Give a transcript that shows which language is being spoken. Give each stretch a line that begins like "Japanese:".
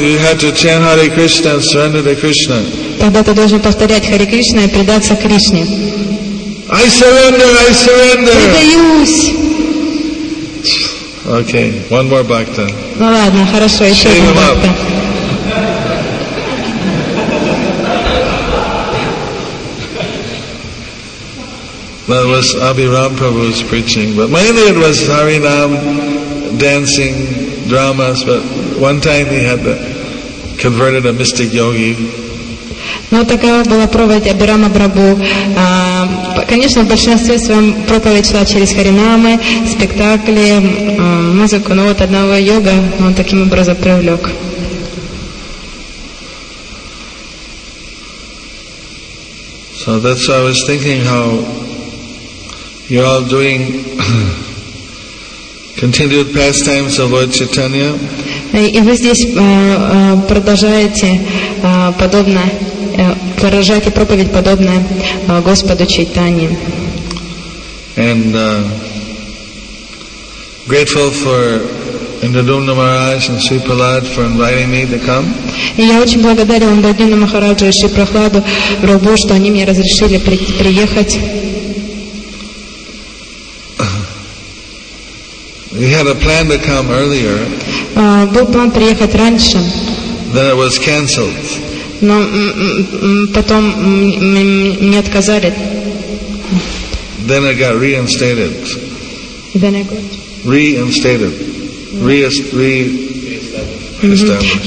English: You have to chant Hare Krishna and surrender to Krishna.
Russian: Тогда ты должен повторять Хари Кришна и предаться Кришне.
English: I surrender. I surrender.
Russian: Предаюсь.
English: Okay, one more bhakta.
Russian: Ну ладно, хорошо, еще один бхакта.
English: That was Abhiram Prabhu's preaching, but mainly it was Harinam, dancing, dramas. But one time he had converted a mystic yogi.
Russian: Но такая была проповедь Абирама Прабху. Конечно, в большинстве своем проповедь шла через харинамы, спектакли, музыку. Но вот одного йога он таким образом привлек.
English: So that's why I was thinking how. You're all doing continued pastimes of Lord Chaitanya.
Russian: И вы здесь продолжаете подобное, продолжаете проповедь подобное Господу Чайтанье.
English: And grateful for Indradumna Maharaj and Sri Prahlad for inviting me to come.
Russian: И я очень благодарен Индрадумна Махараджу и Шри Прахладу Прабху, что они мне разрешили приехать.
English: We had a plan to come earlier.
Russian: Был план приехать раньше.
English: Then it was cancelled.
Russian: Но потом мне отказали.
English: Then it got reinstated. Then I got reinstated. Re-established.